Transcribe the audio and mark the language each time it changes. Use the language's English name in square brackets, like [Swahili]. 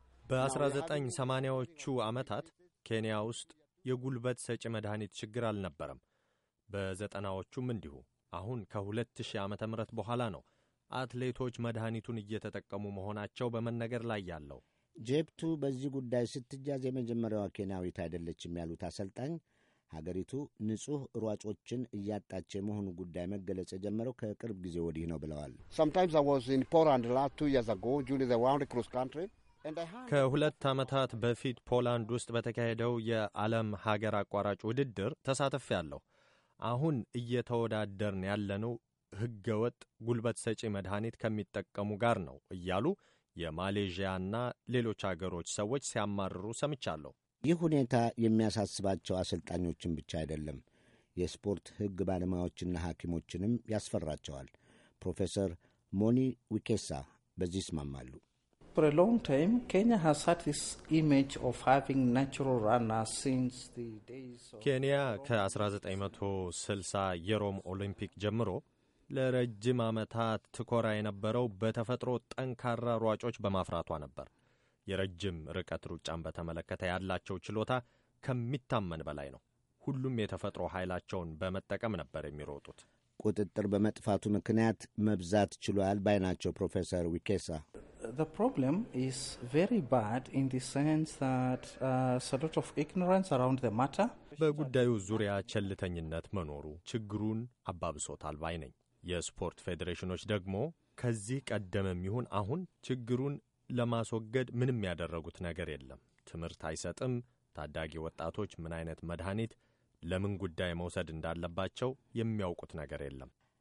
[Amharic] በ1980ዎቹ ዓመታት ኬንያ ውስጥ የጉልበት ሰጪ መድኃኒት ችግር አልነበረም። በ90ዎቹም እንዲሁ። አሁን ከ2000 ዓመተ ምህረት በኋላ ነው አትሌቶች መድኃኒቱን እየተጠቀሙ መሆናቸው በመነገር ላይ ያለው። ጄፕቱ በዚህ ጉዳይ ስትጃዝ የመጀመሪያዋ ኬንያዊት አይደለችም ያሉት አሰልጣኝ፣ ሀገሪቱ ንጹሕ ሯጮችን እያጣች የመሆኑ ጉዳይ መገለጽ የጀመረው ከቅርብ ጊዜ ወዲህ ነው ብለዋል። [English] Sometimes I was in Poland last 2 years ago during the round cross country. [Amharic] ከሁለት ዓመታት በፊት ፖላንድ ውስጥ በተካሄደው የዓለም ሀገር አቋራጭ ውድድር ተሳትፌ አለሁ። አሁን እየተወዳደርን ያለነው ህገወጥ ጉልበት ሰጪ መድኃኒት ከመጠቀሙ ጋር ነው እያሉ የማሌዥያና ሌሎች አገሮች ሰዎች ሲያማርሩ ሰምቻለሁ። ይህ ሁኔታ የሚያሳስባቸው አሰልጣኞችን ብቻ አይደለም፣ የስፖርት ህግ ባለሙያዎችና ሐኪሞችንም ያስፈራቸዋል። ፕሮፌሰር ሞኒ ዊኬሳ በዚህ ስማማሉ። [English] For a long time, Kenya has had this image of having natural runners since the days of [Amharic] Kenya ከ1960 የሮም ኦሊምፒክ ጀምሮ ለረጅም አመታት ትኮራ የነበረው በተፈጥሮ ጠንካራ ሯጮች በማፍራቷ ነበር። የረጅም ርቀት ሩጫን በተመለከተ ያላቸው ችሎታ ከመታመን በላይ ነው። ሁሉም የተፈጥሮ ኃይላቸውን በመጠቀም ነበር የሚሮጡት። ቁጥጥር በመጥፋቱ ምክንያት መብዛት ችሏል ባይናቸው ፕሮፌሰር ዊኬሳ። [English] The problem is very bad in the sense that a lot of ignorance around the matter. [Amharic] በጉዳዩ ዙሪያ ቸልተኝነት መኖሩ ችግሩን አባብሶታል ባይ ነኝ። የስፖርት ፌዴሬሽኖች ደግሞ ከዚህ ቀደምም ይሁን አሁን ችግሩን ለማስወገድ ምንም ያደረጉት ነገር የለም። ትምህርት አይሰጥም፣ ታዳጊ ወጣቶች ምን አይነት መድኃኒት ለምን ጉዳይ መውሰድ እንዳለባቸው የሚያውቁት ነገር የለም።